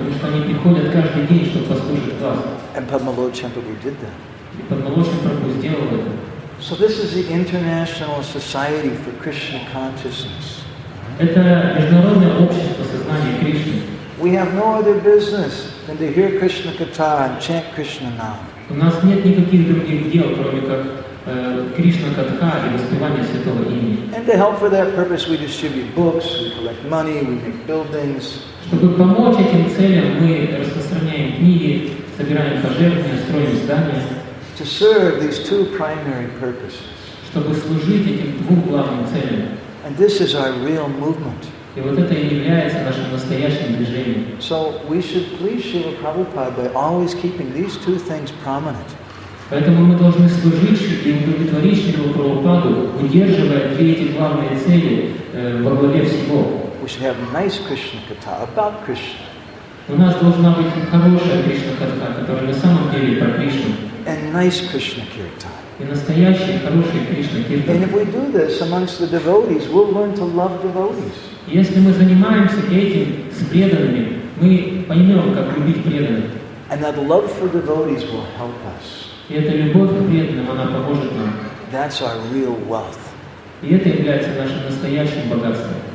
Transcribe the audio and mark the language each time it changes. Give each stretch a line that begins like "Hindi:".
English: And Padmalochan Prabhu did that. So this is the International Society for Krishna Consciousness. We have no other business than to hear Krishna Katha and chant Krishna Nam.
Russian: У нас нет никаких других дел, кроме как Кришна Катха и воспевание святого имени.
English: And to help for that purpose, we distribute books, we collect money, we make buildings.
Russian: Чтобы помочь этим целям, мы распространяем книги, собираем пожертвования, строим здания.
English: To serve these two primary purposes.
Russian: Чтобы служить этим двум главным целям.
English: And this is our real movement.
Russian: И вот это и является нашим настоящим движением.
English: So we should please Srila Prabhupada by always keeping these two things prominent.
Russian: Поэтому мы должны служить и удовлетворить Шрилу Прабхупаду, удерживая две эти главные цели во главе всего.
English: We should have nice Krishna katha about Krishna.
Russian: У нас должна быть хорошая Кришна катха, которая на самом деле про Кришну.
English: And nice Krishna kirtan.
Russian: И настоящий хороший Кришна кирта.
English: And if we do this amongst the devotees, we'll learn to love devotees.
Russian: Если мы занимаемся этим с преданными, мы поймем, как любить преданных.
English: And that love for devotees will help us.
Russian: И эта любовь к преданным, она поможет нам.
English: That's our real wealth.
Russian: И это является нашим настоящим богатством.